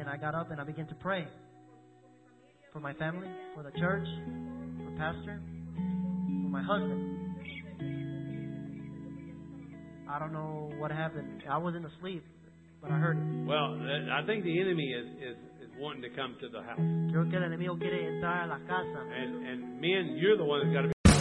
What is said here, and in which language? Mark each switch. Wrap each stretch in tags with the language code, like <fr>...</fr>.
<en>And I got up and I began to pray for my family, for the church, for the pastor, for my husband. I don't know what happened. I wasn't asleep, but I heard it. Well, I think the enemy is wanting to come to the house.</en> <es>Creo que el enemigo quiere entrar a la casa.</es> <en>And men, you're the one that's got to be.</en>